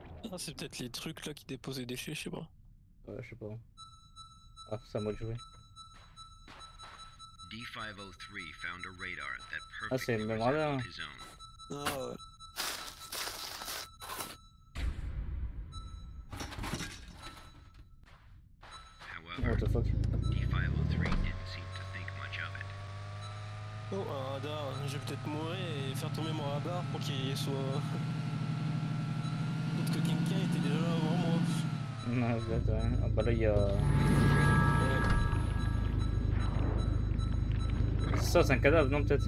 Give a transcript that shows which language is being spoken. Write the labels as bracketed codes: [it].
[fr] Ah, c'est peut-être les trucs là qui déposaient des déchets, je sais pas. Ouais, je sais pas. Ah, ça m'a joué. [en] D503 found a radar that perfectly resembled his own. [fr] Ah, c'est le même radar. [en] What the fuck? D503 didn't seem to think much of it. [fr] Oh, un radar, je vais peut-être mourir et faire tomber mon radar pour qu'il soit. Peut-être que quelqu'un était déjà là avant moi. Non, peut-être, hein. Ah, bah là, il y a. Ça, c'est un cadavre, non, peut-être?